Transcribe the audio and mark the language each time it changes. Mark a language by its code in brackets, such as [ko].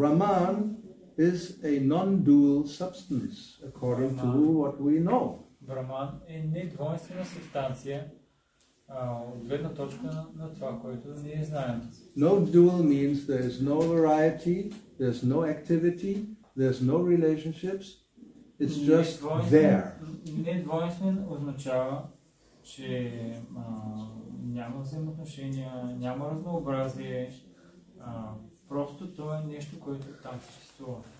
[en] Brahman is a non-dual substance, according to what we know. [bg] Brahman е недвойствена субстанция от гледна точка на това, което ние знаем. [en] No dual means there is no variety, there is no activity, there is no relationships. It's just there. [bg] Недвойствен означава, че няма взаимоотношения, няма разнообразие, просто това е нещо, което там съществува.